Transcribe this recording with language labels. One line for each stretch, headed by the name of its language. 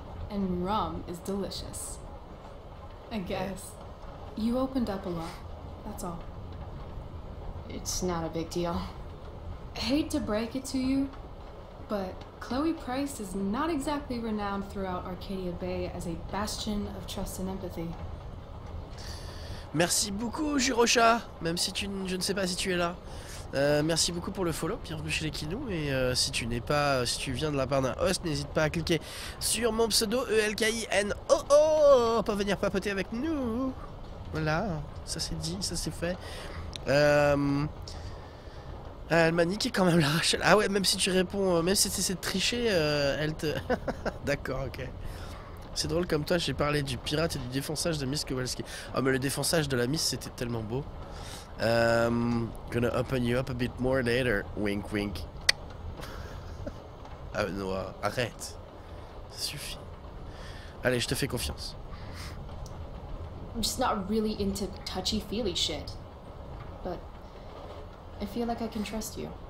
English: And rum is delicious. I guess. You opened up a lot, that's all. It's not a big deal. I hate to break it to you, but Chloe Price is not exactly renowned throughout Arcadia Bay as a bastion of trust and empathy.
French: Merci beaucoup, Jirocha, même si je ne sais pas si tu es là. Merci beaucoup pour le follow, bienvenue chez les Kinous. Et si tu viens de la part d'un host, n'hésite pas à cliquer sur mon pseudo E-L-K-I-N-O-O pour venir papoter avec nous. Voilà, ça c'est dit, ça c'est fait. Elle m'a niqué quand même la Rachel. Ah ouais, même si tu réponds, même si tu essaies de tricher, elle te... D'accord, ok. C'est drôle comme toi, j'ai parlé du pirate et du défonçage de Miss Kowalski. Oh mais le défonçage de la Miss, c'était tellement beau.
English: Gonna open you up a bit more later, wink wink.
French: Ah Noah, arrête. Ça suffit. Allez, je te fais confiance.
English: I'm just not really into touchy-feely shit. But I feel like I can trust you.